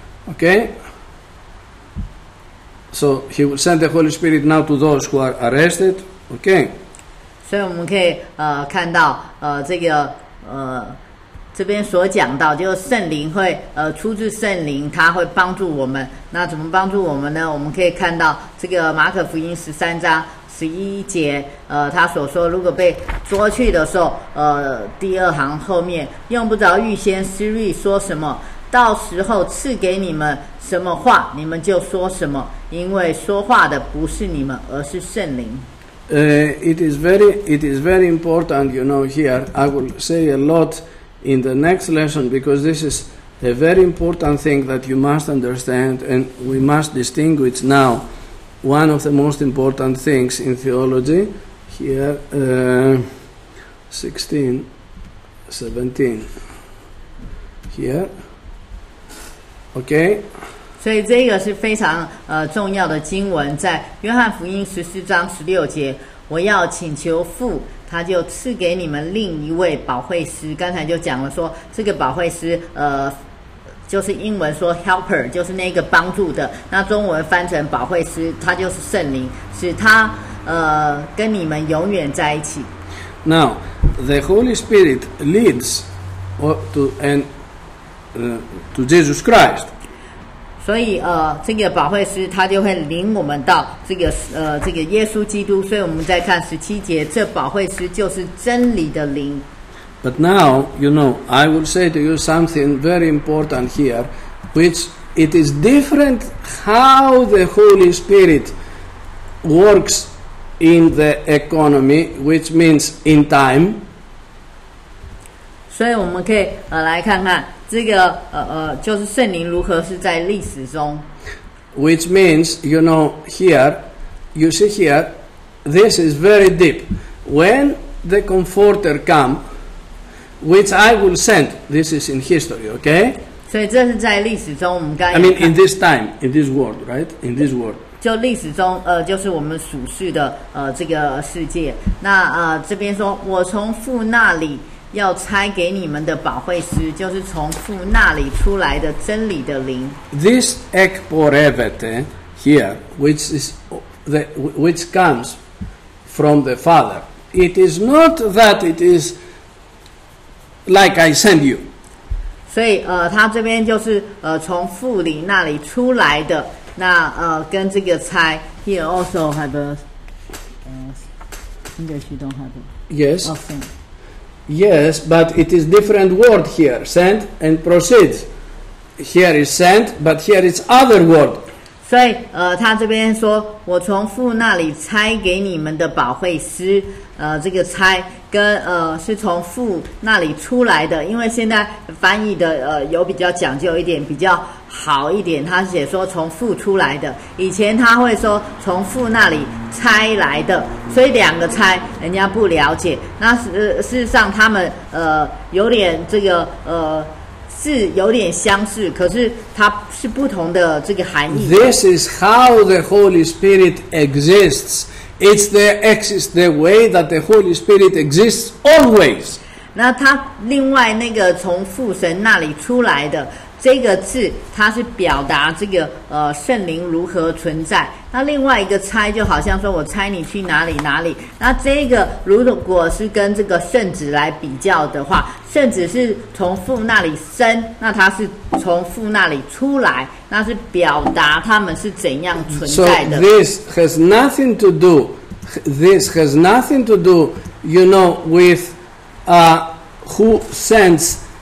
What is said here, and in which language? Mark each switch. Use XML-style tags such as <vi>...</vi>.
<en>Okay. So he will send the Holy Spirit now to those who are arrested. Okay.</en> <zh>所以我们可以, 看到, 这个, 这边所讲到, 就是圣灵会, 出自圣灵, 祂会帮助我们。那怎么帮助我们呢?我们可以看到, 这个马可福音13:11, 他所说, 如果被捉去的时候, 第二行后面, 用不着预先思虑说什么, 到时候赐给你们什么话, 你们就说什么, 因为说话的不是你们, 而是圣灵。</zh> <en>It is very important, you know, here. I will say a lot in the next lesson, because this is a very important thing that you must understand, and we must distinguish now one of the most important things in theology. Here, 16:17. Here. Okay.</en> <zh>所以这个是非常, 重要的经文, 在约翰福音14:16, 我要请求父, 他就赐给你们另一位保惠师, 刚才就讲了说, 这个保惠师, 就是英文说 helper, 就是那个帮助的, 那中文翻成保惠师, 他就是圣灵, 使他, 跟你们永远在一起。</zh> <en>Now, the Holy Spirit leads to, to Jesus Christ.</en> <zh>所以, 这个保惠师, 他就会领我们到, 这个, 这个耶稣基督, 所以我们再看17节, 这保惠师就是真理的灵。</zh> <en>But now, you know, I will say to you something very important here, which it is different how the Holy Spirit works in the economy, which means in time.</en> <zh>所以我们可以, 来看看, 这个, 就是圣灵如何是在历史中。</zh> <en>Which means, you know, here, you see here, this is very deep. When the Comforter come, which I will send, this is in history, okay?</en> <zh>所以这是在历史中, 我们刚才,</zh> <en>I mean, in this time, in this world, right? In this world.</en> <zh>就历史中, 就是我们属世的, 这个世界。那, 这边说, 我从父那里, 要差给你们的保惠师, 就是从父那里出来的真理的灵。</zh> <en>This ek porevete here, which is the, which comes from the Father. It is not that it is like I send you.</en> <zh>所以, 他这边就是, 从父里那里出来的, 那, 跟这个差,</zh> <en>here also have a,</en> <zh>English, you don't have a,</zh> <en>yes. Yes, but it is different word here, sent and proceeds. Here is sent, but here is other word.</en> <zh>所以, 他这边说, 我从父那里差给你们的保惠师, 这个差, 跟, 是从父那里出来的, 因为现在翻译的, 有比较讲究一点, 比较好一点，他写说从父出来的，以前他会说从父那里差来的，所以两个差人家不了解。那事实上他们有点这个是有点相似，可是它是不同的这个含义。</zh> <en>This is how the Holy Spirit exists. It's the exist the way that the Holy Spirit exists always.</en> <zh>那他另外那个从父神那里出来的这个字，它是表达这个圣灵如何存在。那另外一个猜，就好像说我猜你去哪里哪里。那这个如果是跟这个圣子来比较的话，圣子是从父那里生，那他是从父那里出来，那是表达他们是怎样存在的。</zh> <en>So this has nothing to do. This has nothing to do, you know, with who sends.</en>